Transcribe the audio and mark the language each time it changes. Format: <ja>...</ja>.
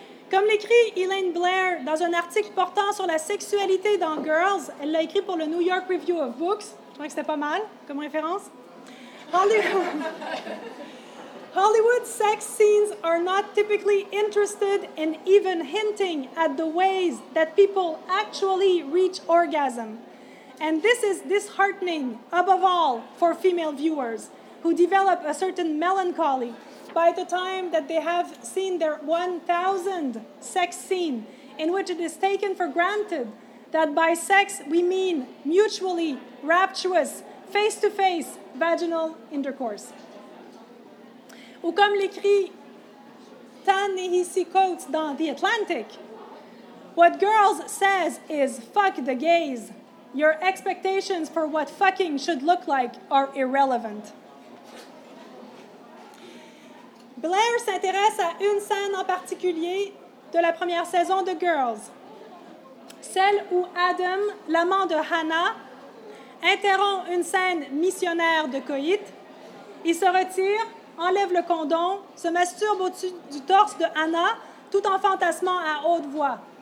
<fr>Comme l'écrit Elaine Blair dans un article portant sur la sexualité dans Girls, elle l'a écrit pour le New York Review of Books, je trouvais que c'était pas mal comme référence,</fr> <en>Hollywood sex scenes are not typically interested in even hinting at the ways that people actually reach orgasm. And this is disheartening, above all, for female viewers, who develop a certain melancholy by the time that they have seen their 1,000th sex scene, in which it is taken for granted that by sex we mean mutually rapturous, face-to-face vaginal intercourse.</en> <fr>Ou comme l'écrit</fr> <en>Ta-Nehisi quotes</en> <fr>dans</fr> <en>The Atlantic. What girls says is fuck the gays. Your expectations for what fucking should look like are irrelevant.</en> <fr>Blair s'intéresse à une scène en particulier de la première saison de Girls. Celle où Adam, l'amant de Hannah, interrompt une scène missionnaire de coït. Il se retire, enlève le condom, se masturbe au-dessus du torse de Hannah, tout en fantasmant à haute voix.</fr>